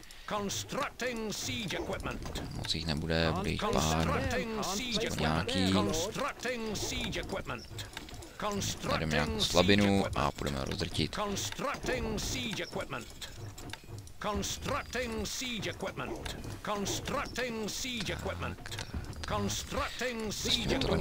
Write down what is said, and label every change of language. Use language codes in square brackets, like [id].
[en] Constructing siege equipment. [cs] Moc jich nebude, bude jich pár. Nějaký. [en] Constructing siege equipment. [cs] Najdeme nějakou slabinu a půjdeme ho rozdrtit. [en] Constructing siege equipment. Constructing siege equipment. Constructing siege equipment. Constructing siege equipment.